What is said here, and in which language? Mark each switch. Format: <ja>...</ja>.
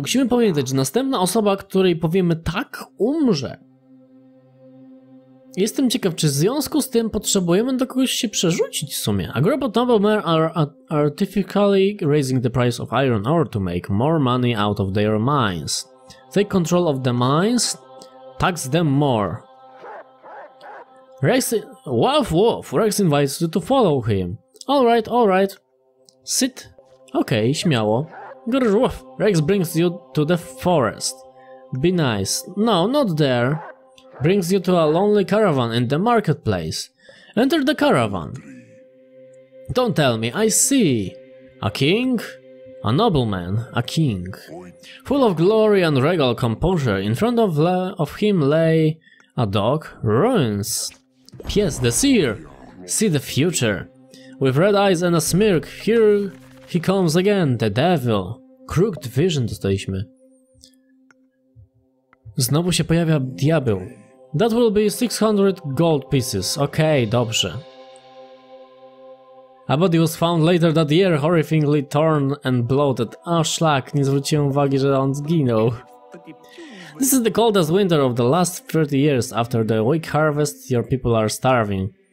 <pl>Musimy pamiętać, że następna osoba, której powiemy tak, umrze. Jestem ciekaw, czy w związku z tym potrzebujemy do kogoś się przerzucić w sumie.</pl> <en>A group of noblemen are artificially raising the price of iron ore to make more money out of their mines. Take control of the mines, tax them more. Rex, wolf, wolf, Rex invites you to follow him. Alright, alright. Sit. Okej, okay,</en> <pl>śmiało.</pl> <en>Rex brings you to the forest. Be nice. No, not there. Brings you to a lonely caravan in the marketplace. Enter the caravan. Don't tell me, I see. A king? A nobleman, a king. Full of glory and regal composure, in front of him lay a dog. Ruins. Pies, the seer. See the future. With red eyes and a smirk, here he comes again, the devil.</en> <pl>Crooked vision dostaliśmy. Znowu się pojawia diabeł.</pl> <en>That will be 600 gold pieces.</en> <pl>Okej, okay, dobrze.</pl> <en>A body was found later that year, horrifyingly torn and bloated.</en> <pl>A szlak, nie zwróciłem uwagi, że on zginął.</pl> <en>This is the coldest winter of the last 30 years. After the weak harvest, your people are starving.</en>